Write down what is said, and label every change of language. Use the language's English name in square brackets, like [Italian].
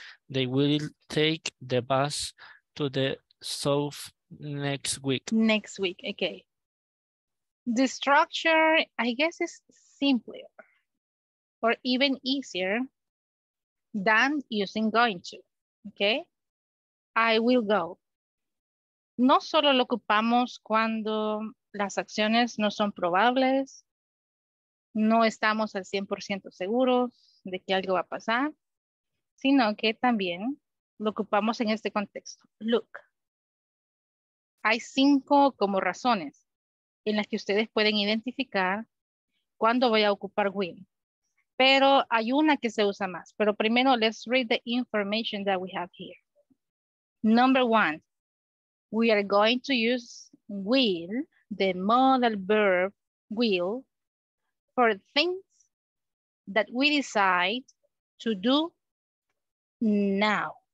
[English] They will take the bus to the south next week. Next week, okay. The structure, I guess, is simpler or even easier than using going to, okay? I will go. [Spanish] No solo lo ocupamos cuando las acciones no son probables, no estamos al 100% seguros de que algo va a pasar, sino que también lo ocupamos en este contexto. Look, hay 5 como razones en las que ustedes pueden identificar cuándo voy a ocupar will. Pero hay una que se usa más. Pero primero, [English] let's read the information that we have here. Number one, we are going to use will, the modal verb will, for things that we decide to do now.